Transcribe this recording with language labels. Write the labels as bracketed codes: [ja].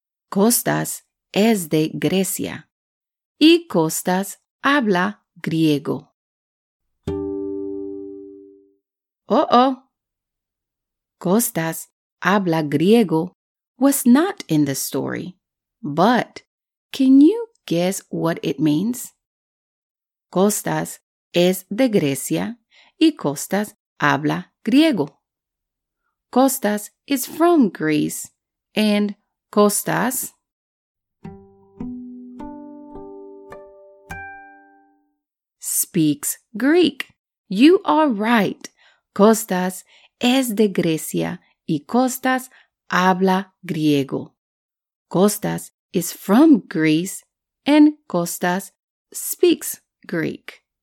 [es] Costas es de Grecia. Y Costas habla griego. Uh-oh. Costas habla griego [en] was not in the story. But can you guess what it means? [es] Costas es de Grecia y Costas habla griego. [en] Costas is from Greece and Costas... speaks Greek. You are right. [es] Costas es de Grecia y Costas habla griego. [en] Costas is from Greece and Costas speaks Greek.